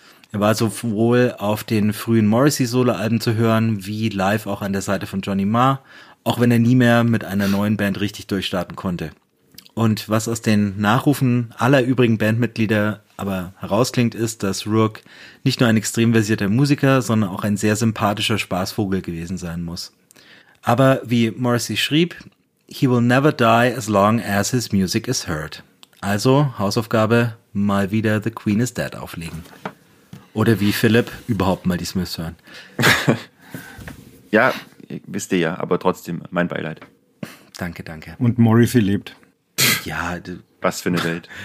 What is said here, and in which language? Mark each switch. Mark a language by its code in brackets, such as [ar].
[de] Er war sowohl auf den frühen Morrissey-Solo-Alben zu hören, wie live auch an der Seite von Johnny Marr, auch wenn er nie mehr mit einer neuen Band richtig durchstarten konnte. Und was aus den Nachrufen aller übrigen Bandmitglieder aber herausklingt, ist, dass Rourke nicht nur ein extrem versierter Musiker, sondern auch ein sehr sympathischer Spaßvogel gewesen sein muss. Aber wie Morrissey schrieb, [en] he will never die as long as his music is heard. [de] Also Hausaufgabe, mal wieder The Queen is Dead auflegen. Oder wie Philipp, überhaupt mal die Smiths hören. Ja, wisst ihr ja, aber trotzdem mein Beileid. Danke, danke. Und Morrissey lebt. Ja. Was für eine Welt.